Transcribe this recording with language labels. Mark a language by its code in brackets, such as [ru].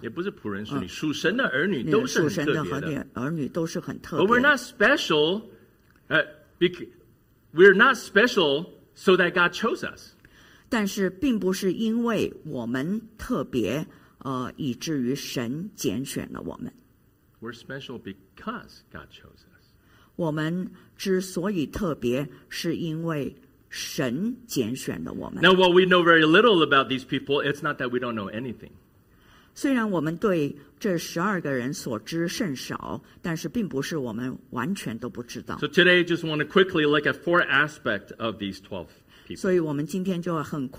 [zh] 也不是仆人使女, 属神的儿女, 属神的和女, 儿女都是很特别的。 [en] But we're not special, we're not special so that God chose us. [zh] 但是并不是因为我们特别, 以至于神拣选了我们。 [en] We're special because God chose us. [zh] 我们之所以特别, 是因为 [en] Now, while we know very little about these people, it's not that we don't know anything. [zh] 虽然我们对这12个人所知甚少, 但是并不是我们完全都不知道。 [en] So today, I just want to quickly look at four aspects of these 12 people.